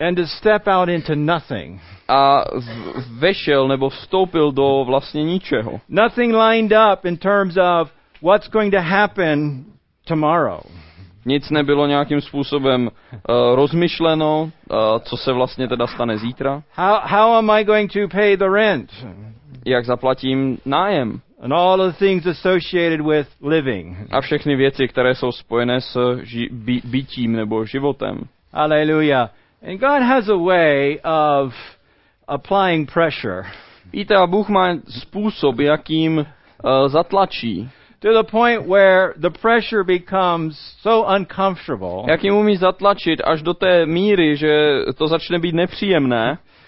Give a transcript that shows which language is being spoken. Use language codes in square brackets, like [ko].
[en] And to step out into nothing. [cs] A vešel nebo vstoupil do vlastně ničeho. [en] Nothing lined up in terms of what's going to happen tomorrow. [cs] Nic nebylo nějakým způsobem rozmyšleno, co se vlastně teda stane zítra. [en] How am I going to pay the rent? [cs] Jak zaplatím nájem? [en] And all the things associated with living. [cs] A všechny věci, které jsou spojené s bytím nebo životem. [en] Alleluja. And God has a way of applying pressure. [cs] Víte, a Bůh má způsob, jakým zatlačí. [en] To the point where the pressure becomes so uncomfortable. [cs] Jak jim umí zatlačit až do té míry, že to začne být nepříjemné,